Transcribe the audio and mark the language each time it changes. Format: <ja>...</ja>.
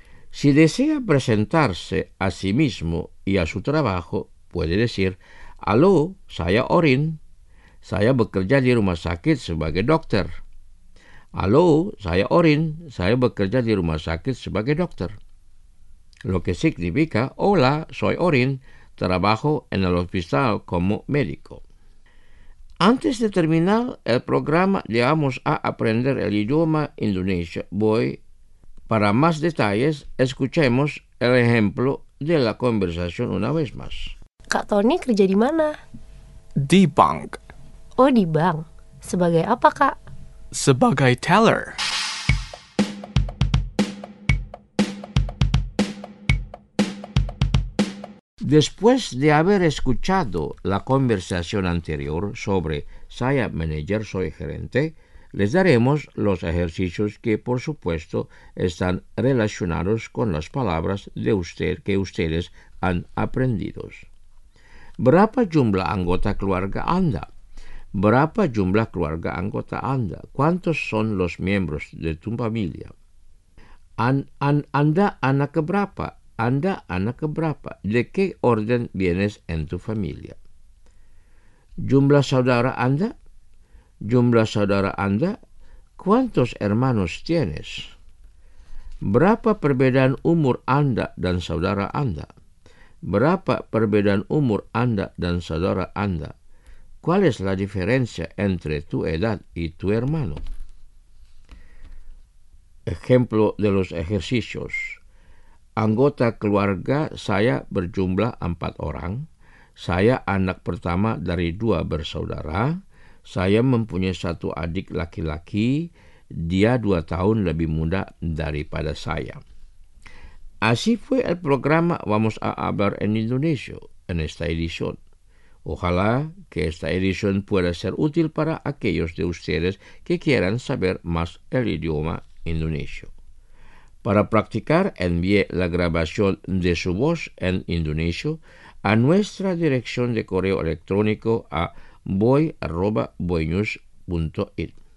<es>Si desea presentarse a sí mismo y a su trabajo, puede decir,</es> <id>Aló, saya Orin. Saya bekerja di rumah sakit sebagai dokter. Aló, saya Orin. Saya bekerja di rumah sakit sebagai dokter.</id> <es>Lo que significa, Hola, soy Orin. Trabajo en el hospital como médico. Antes de terminar el programa, vamos a aprender el idioma indonesio. Para más detalles, escuchemos el ejemplo de la conversación una vez más.</es> <id>Kak Tony kerja di mana? Di bank. Oh, di bank. Sebagai apa, Kak? Sebagai teller.</id> <es>Después de haber escuchado la conversación anterior sobre</es> <id>saya manager,</id> <es>soy gerente, les daremos los ejercicios que, por supuesto, están relacionados con las palabras de usted que ustedes han aprendido.</es> <id>Berapa jumlah anggota keluarga Anda? Berapa jumlah keluarga anggota Anda?</id> <es>¿Cuántos son los miembros de tu familia?</es> <id>Anda anak keberapa? Anda anak keberapa?</id> <es>¿De qué orden vienes en tu familia?</es> <id>Jumlah saudara Anda? Jumlah saudara Anda?</id> <es>¿Cuántos hermanos tienes?</es> <id>Berapa perbedaan umur Anda dan saudara Anda? Berapa perbedaan umur Anda dan saudara Anda?</id> <es>¿Cuál es la diferencia entre tu edad y tu hermano? Ejemplo de los ejercicios.</es> <id>Anggota keluarga saya berjumlah 4 orang. Saya anak pertama dari 2 bersaudara. Saya mempunyai 1 adik laki-laki. Dia 2 tahun lebih muda daripada saya.</id> <es>Así fue el programa Vamos a hablar en Indonesio en esta edición. Ojalá que esta edición pueda ser útil para aquellos de ustedes que quieran saber más el idioma indonesio. Para practicar, envíe la grabación de su voz en indonesio a nuestra dirección de correo electrónico a boy@boynews.it.</es>